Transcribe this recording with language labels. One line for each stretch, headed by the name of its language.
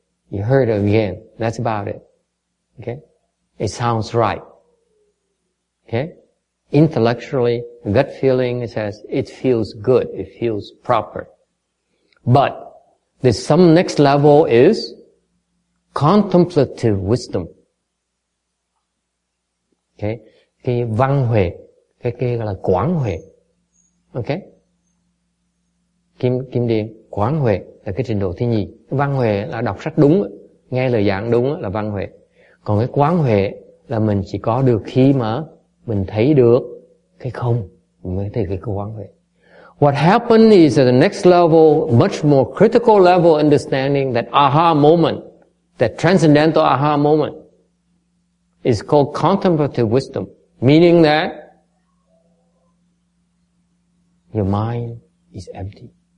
English: You heard it again. That's about it. Okay? It sounds right. Okay? Intellectually, gut feeling says it feels good. It feels proper. But there's some next level is contemplative wisdom. Okay?
Vietnamese: Cái văn huệ, cái gọi là quán huệ. Okay? Kim Điền, quán huệ là cái trình độ thứ nhì. Văn huệ là đọc sách đúng, nghe lời giảng đúng là văn huệ. Còn cái quán huệ là mình chỉ có được khi mà mình thấy được cái không, mình mới thấy cái quán huệ.
English: What happened is at the next level, much more critical level understanding, that aha moment, that transcendental aha moment, is called contemplative wisdom, meaning that your mind is empty.